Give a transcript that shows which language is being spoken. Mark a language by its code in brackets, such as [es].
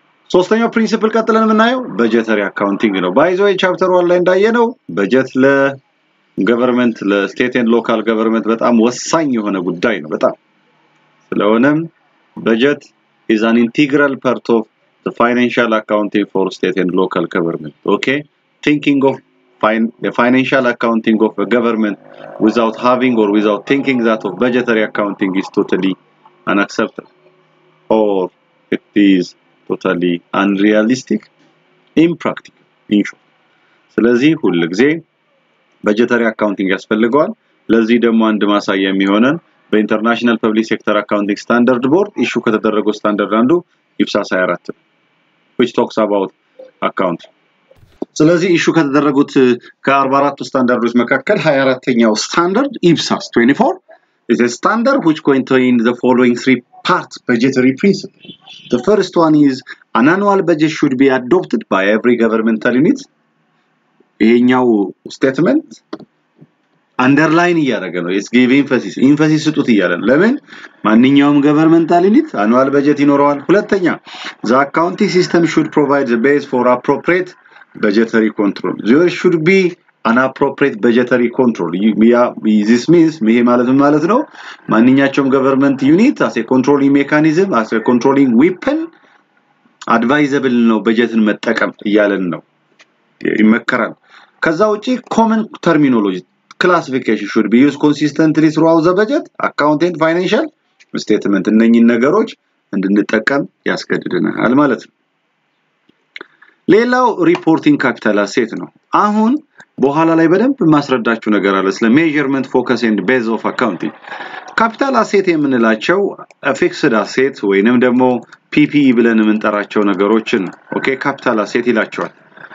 [am] ሶስተኛው ፕሪንሲፕል ቀጥለን የምናየው በጀተሪ አካውንቲንግ ነው። ባይ ዘ ወይ ቻፕተር 1 ላይ እንዳየነው በጀት ለገቨርንመንት ለስቴት ኤንድ ሎካል ገቨርንመንት በጣም ወሳኝ የሆነ ጉዳይ ነው በጣም። ስለሆነም [en] budget is an integral part of the financial accounting for state and local government. Okay, thinking of the financial accounting of a government without having or without thinking that of budgetary accounting is totally unacceptable or it is totally unrealistic, impractical in short. [am] ስለዚህ ሁልጊዜ budgetary accounting ያስፈልጋል። ለዚህ ደግሞ አንድ ማሳያ የሚሆነን በኢንተርናሽናል ፐብሊክ ሴክተር አካውንቲንግ ስታንዳርድ ቦርድ ኢሹ ከተደረገው ስታንዳርድ አንዱ ኢፕሳስ 24 [en] which talks about account። [am] ስለዚህ ኢሹ ከተደረጉት ከ44 ስታንዳርዶች መካከል 24ኛው ስታንዳርድ [en] IPSAS 24 is a standard which contains the following three parts budgetary principles. The first one is an annual budget should be adopted by every governmental unit. [am] ይሄኛው statement underline እያደረገ ነው. [en] It's giving emphasis. [am] Emphasis ስጡት እያለ ነው. ለምን? ማንኛውም governmental unit annual budget ይኖረዋል. [en] ሁለተኛ, the accounting system should provide the base for appropriate budgetary control. There should be an appropriate budgetary control. This means, [am] ይሄ ማለት ነው, [en] ማንኛቸውም government unit as a controlling mechanism, as a controlling weapon, advisable ነው [am] budgetን መጠቀም እያለን ነው. [en] ይመከራል. ከዛ ውጪ common terminology classification should be used consistently throughout the budget, accounting, financial statement. [am] እነኚህ ነገሮች እንድንጠቀም ያስገድደናል ማለት ነው. ሌላው ሪፖርቲንግ ካፒታል አሴት ነው. አሁን በኋላ ላይ በደንብ ማስረዳችሁ ነገር አለ ስለ [en] measurement focus and base of accounting. [am] ካፒታል አሴት የምንላቸው fixed asset ወይንም ደግሞ PPE ብለን የምንጠራቸው ነገሮችን ኦኬ ካፒታል አሴት ይላቸዋል.